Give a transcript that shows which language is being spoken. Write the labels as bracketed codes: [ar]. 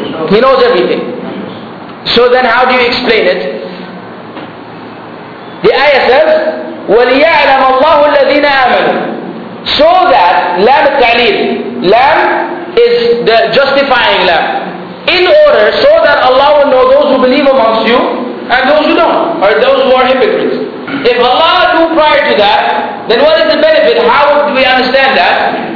[en] He knows everything. So then how do you explain it? The ayah says, [ar] وَلِيَعْلَمَ اللَّهُ الَّذِينَ آمَنُوا. [en] So that, [ar] لَمْ التَّعْلِيلِ, [en] لَمْ is the justifying لَمْ. In order, so that Allah will know those who believe amongst you and those who don't, or those who are hypocrites. If Allah knew prior to that, then what is the benefit? How do we understand that?